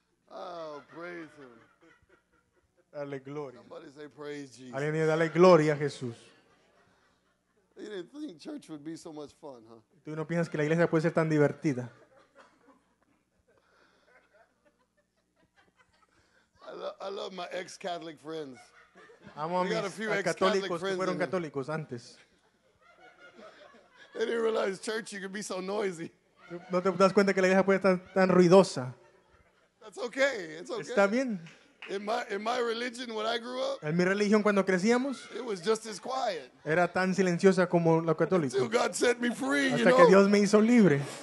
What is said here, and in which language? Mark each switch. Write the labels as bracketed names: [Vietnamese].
[English] Oh, praise him. [Spanish] Dale gloria. [English] Somebody say praise Jesus. [Spanish] Alguien dice dale gloria a Jesús. [English] You didn't think church would be so much fun, huh? [Spanish] ¿Tú no piensas que la iglesia puede ser tan divertida? [English] I love my ex-Catholic friends. [Spanish] Amo a mis católicos que fueron católicos antes. [English] I didn't realize church you could be so noisy. [Spanish] No te das cuenta que la iglesia puede estar tan ruidosa. [English] That's okay. It's okay. [Spanish] Está bien. [English] In my religion when I grew up. [Spanish] En mi religión cuando crecíamos. [English] It was just as quiet. [Spanish] Era tan silenciosa como la católica. [English] Until God set me free, [Spanish] hasta [English] you know. [Spanish] Hasta que Dios me hizo libre.